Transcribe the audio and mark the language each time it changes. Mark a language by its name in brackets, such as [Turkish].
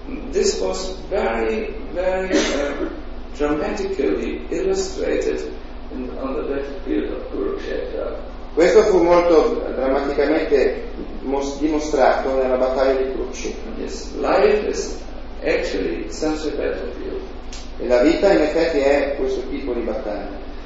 [English] This was very, very dramatically illustrated on the battlefield of Kurukshetra. [Italian] Questo fu molto drammaticamente dimostrato nella battaglia di Kurukshetra. [English] Yes, life is actually it's such a battlefield. [Italian] E la vita in effetti è questo tipo di battaglia.